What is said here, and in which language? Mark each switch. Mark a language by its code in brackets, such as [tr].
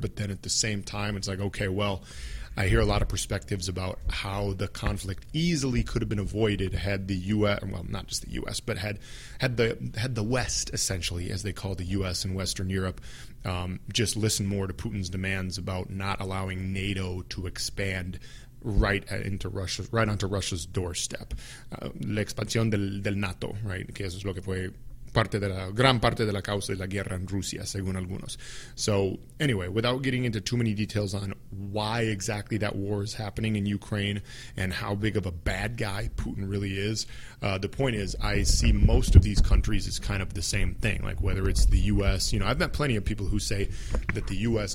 [en] But then at the same time, it's like, okay, well, I hear a lot of perspectives about how the conflict easily could have been avoided had the U.S., well, not just the U.S., but had the West, essentially, as they call the U.S. and Western Europe, just listen more to Putin's demands about not allowing NATO to expand right onto Russia's doorstep. [es] La expansión del NATO, right? Que eso es lo que fue gran parte de la causa de la guerra en Rusia, según algunos. [en] So, anyway, without getting into too many details on why exactly that war is happening in Ukraine and how big of a bad guy Putin really is, the point is, I see most of these countries as kind of the same thing. Like, whether it's the U.S., you know, I've met plenty of people who say that the U.S.